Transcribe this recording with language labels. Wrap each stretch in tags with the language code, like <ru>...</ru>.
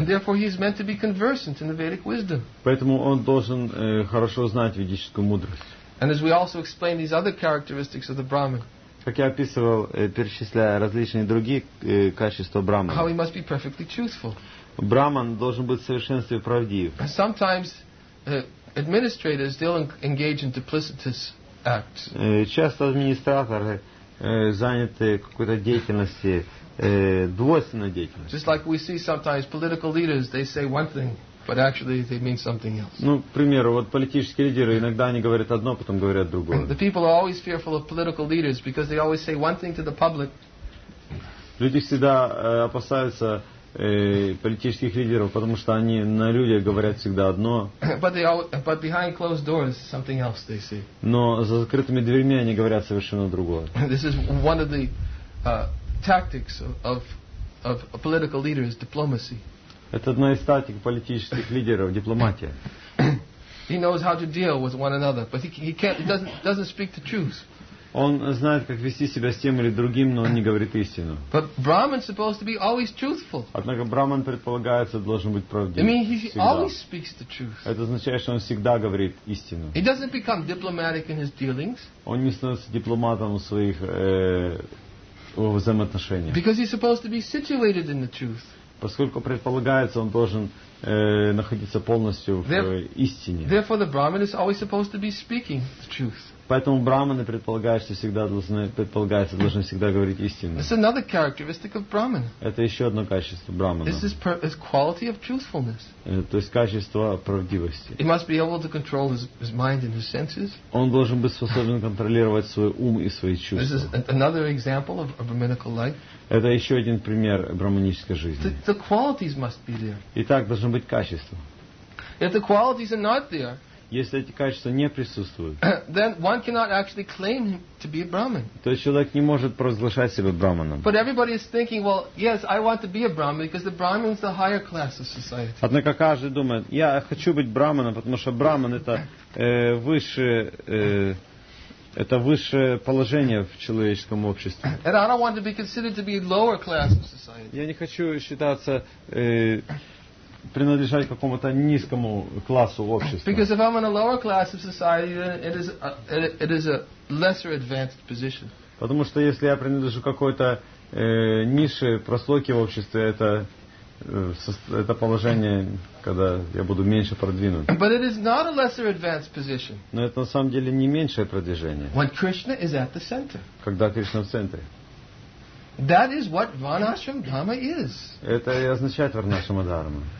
<en>And therefore he is meant to be conversant in the Vedic wisdom.</en> <ru>Поэтому он должен хорошо знать ведическую мудрость.</ru> <en>And as we also explain these other characteristics of the brahman.</en> <ru>Как я описывал, перечисляя различные другие качества брахмана.</ru> <en>How he must be perfectly truthful.</en> <ru>Брахман должен быть в совершенстве правдив.</ru> <en>And sometimes administrators still engage in duplicitous acts.</en> <ru>Часто администраторы заняты какой-то деятельностью, двойственной деятельностью.</ru> <en>Just like we see sometimes political leaders, they say one thing, but actually they mean something else.</en> <ru>Ну, к примеру, вот политические лидеры иногда они говорят одно, потом говорят другое.</ru> <en>The people are always fearful of political leaders because they always say one thing to the public.</en> <ru>Люди всегда опасаются политических лидеров, потому что они на людях говорят всегда одно.</ru> <en>But behind closed doors, something else they say.</en> <ru>Но за закрытыми дверьми они говорят совершенно другое.</ru> <en>This is one of the tactics of political leaders, diplomacy.</en> <ru>Это одна из тактик политических лидеров, дипломатия.</ru> <en>He knows how to deal with one another, but he doesn't speak the truth.</en> <ru>Он знает, как вести себя с тем или другим, но он не говорит истину.</ru> <en>But Brahman is supposed to be always truthful.</en> <ru>Однако Брахман предполагается должен быть правдив.</ru> <en>I mean, he always speaks the truth.</en> <ru>Это означает, что он всегда говорит истину.</ru> <en>He doesn't become diplomatic in his dealings.</en> <ru>Он не становится дипломатом в своих взаимоотношениях.</ru> <en>Because he's supposed to be situated in the truth.</en> <ru>Поскольку предполагается, он должен находиться полностью в истине.</ru> <en>Therefore, the Brahman is always supposed to be speaking the truth.</en> <ru>Поэтому брахманы предполагаются должны всегда говорить истину.</ru> <en>It's another characteristic of brahman.</en> <ru>Это еще одно качество брахмана.</ru> <en>This is quality of truthfulness.</en> <ru>То есть качество правдивости.</ru> <en>He must be able to control his mind and his senses.</en> <ru>Он должен быть способен контролировать свой ум и свои чувства.</ru> <en>This is another example of brahminical life.</en> <ru>Это еще один пример брахманической жизни.</ru> <en>The qualities must be there.</en> <ru>Итак, должно быть качество.</ru> <en>If the qualities are not there.</en> <ru>Если эти качества не присутствуют,</ru> <en>then one cannot actually claim to be a brahmin.</en> <ru>То есть человек не может провозглашать себя брахманом.</ru> <en>But everybody is thinking, well, yes, I want to be a brahmin because the brahmin is the higher class of society.</en> <ru>Однако каждый думает, я хочу быть брахманом, потому что брахман это высшее положение в человеческом обществе.</ru> <en>And I don't want to be considered to be a lower class of society.</en> <ru>Я не хочу считаться принадлежать какому-то низкому классу общества.</ru> <en>Because if I'm in a lower class of society, then it is a lesser advanced position.</en> <ru>Потому что если я принадлежу какой-то нише прослойки в обществе, это положение, когда я буду меньше продвинут.</ru> <en>But it is not a lesser advanced position.</en> <ru>Но это на самом деле не меньшее продвижение.</ru> <en>When Krishna is at the center.</en> <ru>Когда Кришна в центре.</ru> <en>That is what Varnashram Dharma is.</en> <ru>Это и означает Варнашрама Дхарма.</ru>